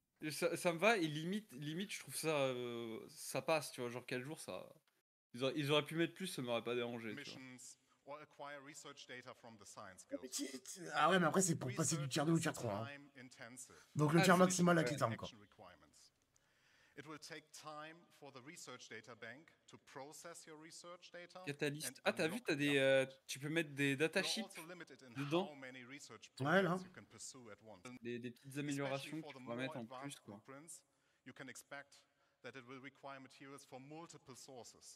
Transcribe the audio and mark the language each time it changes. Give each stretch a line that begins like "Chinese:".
French: Ça me va, et limite, je trouve ça. Ça passe, tu vois. Genre, 4 jours, ça. Ils auraient pu mettre plus, ça m'aurait pas dérangé. Tu vois.
English: Or acquire research data from the science guilds.
French: Ah ouais, mais après c'est pour passer du tiers 2 au tiers 3. Hein. Donc le tiers maximal à qui t'as encore.
English: It will take time for the research data bank to process your research data. Catalyst.
French: Ah, t'as vu, t'as des tu peux mettre des data chips dedans. Ouais, là. Des petites améliorations que tu peux mettre en plus, quoi.
English: You can expect that it will require materials for multiple sources.